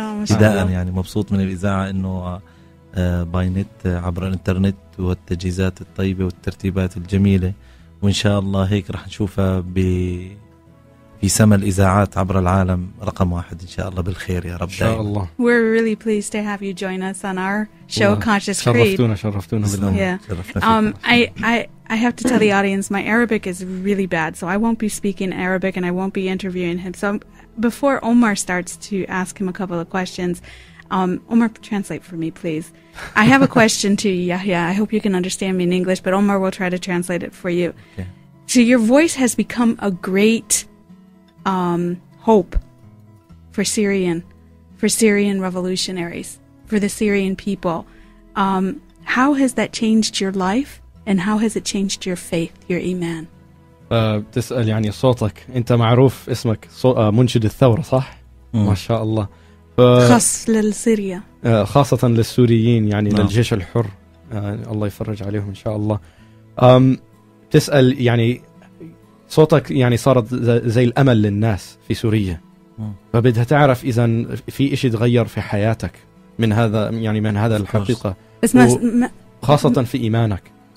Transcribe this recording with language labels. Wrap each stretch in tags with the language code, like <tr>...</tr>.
<ar>بداياً، يعني مبسوط من الإذاعة إنه باينت عبر الإنترنت والتجهيزات الطيبة والترتيبات الجميلة، وإن شاء الله هيك رح نشوفها في سما الإذاعات عبر العالم رقم واحد إن شاء الله بالخير يا رب. إن شاء الله.</ar> <en>We're really pleased to have you join us on our show Conscious Creed.</en> <ar>شرفتونا</ar> <en>I have to tell the audience, my Arabic is really bad, so I won't be speaking Arabic and I won't be interviewing him. So before Omar starts to ask him a couple of questions, Omar, translate for me, please. I have a question to you, Yahya. I hope you can understand me in English, but Omar will try to translate it for you. Okay. So your voice has become a great hope for Syrian revolutionaries, for the Syrian people. How has that changed your life, and how has it changed your faith, your iman?</en> <ar>تسأل يعني صوتك أنت معروف اسمك منشد الثورة صح ما شاء الله خاص للسوريا خاصة للسوريين يعني للجيش الحر الله يفرج عليهم إن شاء الله تسأل يعني صوتك يعني صارت زي الأمل للناس في سوريا فبدها تعرف إذا في إشي تغير في حياتك من هذا يعني من هذا الحقيقة خاصة في إيمانك</ar>